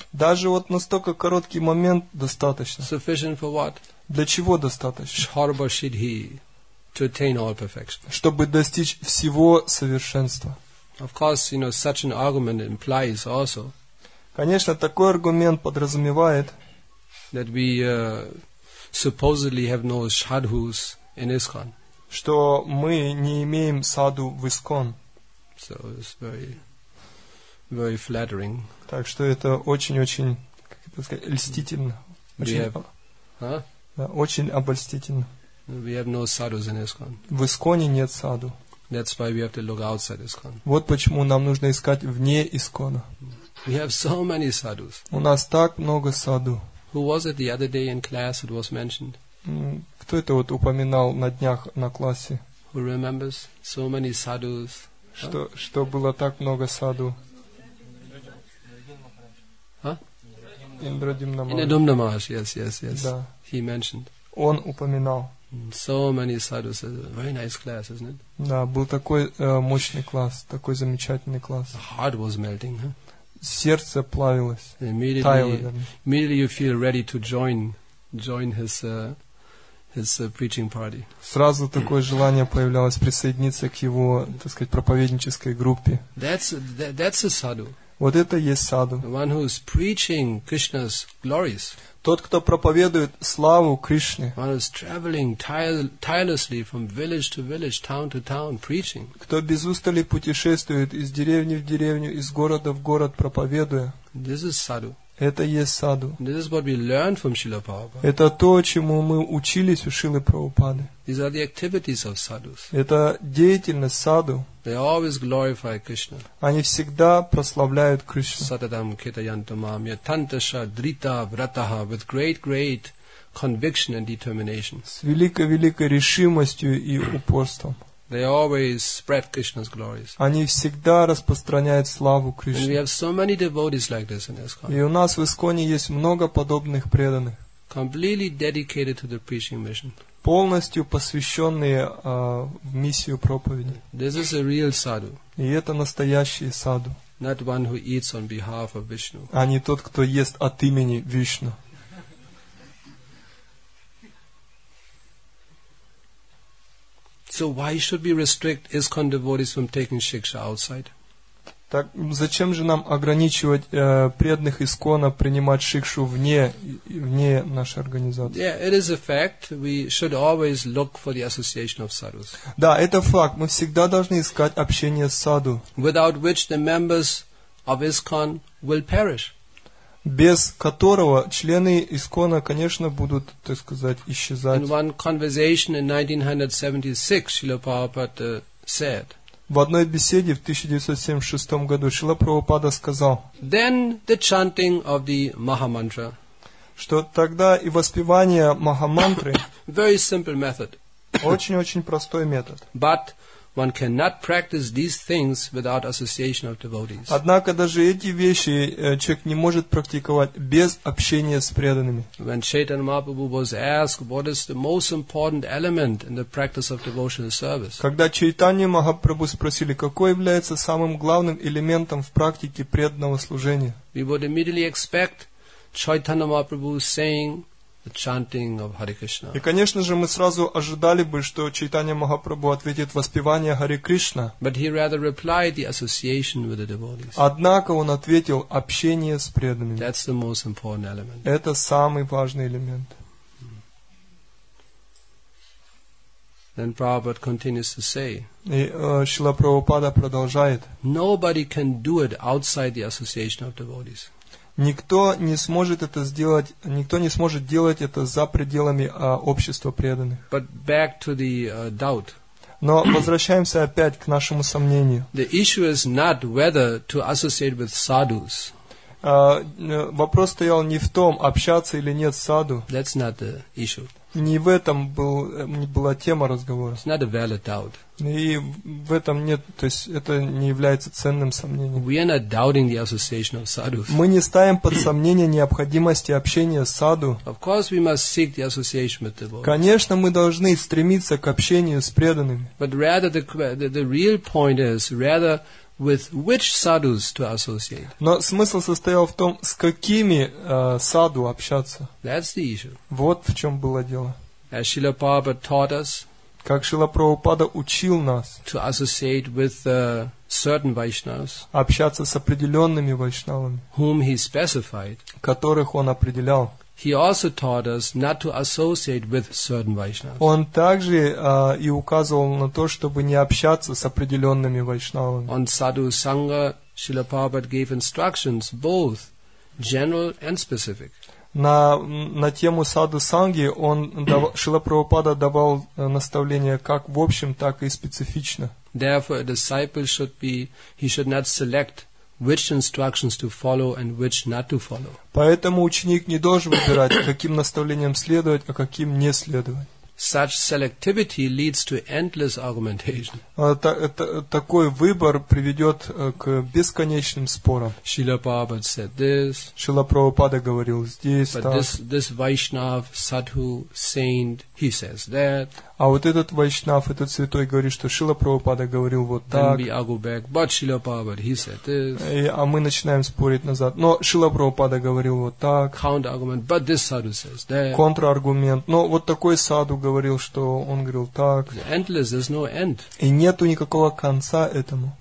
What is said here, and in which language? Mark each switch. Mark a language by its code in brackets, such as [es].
[ru] Даже вот настолько короткий момент достаточно. [en] Sufficient for what? [ru] Для чего достаточно? [sa] Shorba shidhi, [en] to attain all perfection. [ru] Чтобы достичь всего совершенства. [en] Of course, you know, such an argument implies also. [ru] Конечно, такой аргумент подразумевает [en] that we supposedly have no shadhus in ISKCON. [ru] Что мы не имеем саду в ИСКОН. [en] So it's very, very flattering. [ru] Так что это очень-очень, как это сказать, льстительно. Очень обольстительно. [en] We have no sadhus in ISKCON. [ru] В ИСКОНе нет саду. [en] That's why we have to look outside ISKCON. [ru] Вот почему нам нужно искать вне ИСКОНа. [en] We have so many sadhus. [ru] У нас так много саду. [en] Who was it the other day in class? It was mentioned. [ru] Кто это вот упоминал на днях на классе? [en] Who remembers so many sadhus? [ru] Что было так много саду? Индрадимна Махараш. [en] Yes. [ru] Да. [en] He mentioned. [ru] Он упоминал. [en] So many sadhus. Very nice class, isn't it? [ru] Да, был такой мощный класс, такой замечательный класс. [en] The heart was melting, huh? [ru] Сердце плавилось. [en] Immediately you feel ready to join his preaching party. [ru] Сразу такое желание появлялось присоединиться к его, так сказать, проповеднической группе. [en] That's a sadhu. [ru] Вот это есть саду. [en] The one who is preaching Krishna's glories. [ru] Тот, кто проповедует славу Кришне. [en] One who is traveling tirelessly from village to village, town to town, preaching. [ru] Кто без устали путешествует из деревни в деревню, из города в город, проповедуя. [en] This is sadhu. [ru] Это есть саду. [en] This is what we learned from Srila Prabhupada. [ru] Это то, чему мы учились у Шрилы Прабхупады. [en] These are the activities of sadhus. [ru] Это деятельность саду. [en] They always glorify Krishna. [ru] Они всегда прославляют Кришну. [sa] Satadam ketayantamam yatantasha drita vrataha, [en] with great, great conviction and determination. [ru] С великой-великой решимостью и упорством. [en] They always spread Krishna's glories. [ru] Они всегда распространяют славу Кришны. [en] And we have so many devotees like this in ISKCON. [ru] И у нас в ИСКОНе есть много подобных преданных. [en] Completely dedicated to the preaching mission. [ru] полностью посвященные в миссию проповеди. [en] This is a real sadhu. [ru] И это настоящий саду. [en] Not one who eats on behalf of Vishnu. [ru] А не тот, кто ест от имени Вишну. [en] So why should we restrict ISKCON devotees from taking shiksha outside? [ru] Так зачем же нам ограничивать преданных ИСККОНа принимать шикшу вне нашей организации? [en] Yeah, it is a fact. We should always look for the association of sadhus. [ru] Да, это факт. Мы всегда должны искать общение с саду. [en] Without which the members of ISKCON will perish. [ru] Без которого члены ИСККОНа, конечно, будут, так сказать, исчезать. [en] In one conversation in 1976, Srila Prabhupada said. [ru] В одной беседе в 1976 году Шрила Прабхупада сказал, [en] then the chanting of the Mahamantra, [ru] что тогда и воспевание Махамантры [en] very simple method, [ru] очень-очень простой метод. [en] But one cannot practice these things without association of devotees. [ru] Однако даже эти вещи человек не может практиковать без общения с преданными. [en] When Chaitanya Mahaprabhu was asked what is the most important element in the practice of devotional service, [ru] когда Чайтанья Махапрабху спросили, какой является самым главным элементом в практике преданного служения, [en] we would immediately expect Chaitanya Mahaprabhu saying the chanting of Hare Krishna. [ru] И, конечно же, мы сразу ожидали бы, что Чайтанья Махапрабху ответит воспевание Хари Кришна. [en] But he rather replied the association with the devotees. [ru] Однако он ответил общение с преданными. [en] That's the most important element. [ru] Это самый важный элемент. [en] Then Prabhupada continues to say, [ru] и Шрила Прабхупада продолжает, [en] nobody can do it outside the association of devotees. [ru] Никто не сможет делать это за пределами общества преданных. [en] But back to the doubt. [ru] Но возвращаемся опять к нашему сомнению. [en] The issue is not whether to associate with sadhus. [ru] Вопрос стоял не в том, общаться или нет с саду. [en] That's not the issue. [ru] Не в этом была тема разговора. [en] It's not a valid doubt. [ru] И в этом нет, то есть это не является ценным сомнением. [en] We are not doubting the association of sadhus. [ru] Мы не ставим под сомнение необходимости общения с саду. [en] Of course we must seek the association with the devotees. [ru] Конечно, мы должны стремиться к общению с преданными. [en] But rather the real point is rather with which sadhus to associate. [ru] Но смысл состоял в том, с какими саду общаться. [en] That's the issue. [ru] Вот в чем было дело. [en] As Srila Prabhupada taught us, [ru] как Шрила Прабхупада учил нас, [en] to associate with certain Vaishnavas, [ru] общаться с определенными вайшнавами, [en] whom he specified, [ru] которых он определял. [en] He also taught us not to associate with certain Vaishnavas. [ru] Он также и указывал на то, чтобы не общаться с определенными вайшнавами. [en] On sadhu sangha, Srila Prabhupada gave instructions both general and specific. [ru] На тему саду санги он Шрила Прабхупада давал наставления как в общем, так и специфично. [en] Therefore, a disciple should not select which instructions to follow and which not to follow. [ru] Поэтому ученик не должен выбирать, каким наставлениям следовать, а каким не следовать. [en] Such selectivity leads to endless argumentation. [ru] Такой выбор приведет к бесконечным спорам. [en] Шрила Прабхупада said this. [ru] Шрила Прабхупада говорил здесь, [en] but this Vaishnav, sadhu, saint, he says that. [ru] А вот этот вайшнав, этот святой говорит, что Шрила Прабхупада говорил вот так. [en] Then we argue back, but Srila Prabhupada, he said this. [ru] А мы начинаем спорить назад. Но Шрила Прабхупада говорил вот так. [en] Counter-argument, but this sadhu says that. [ru] Контраргумент. Но вот такой саду говорил, что он говорил так. [en] It's endless, there's no end. [ru] И нету никакого конца этому.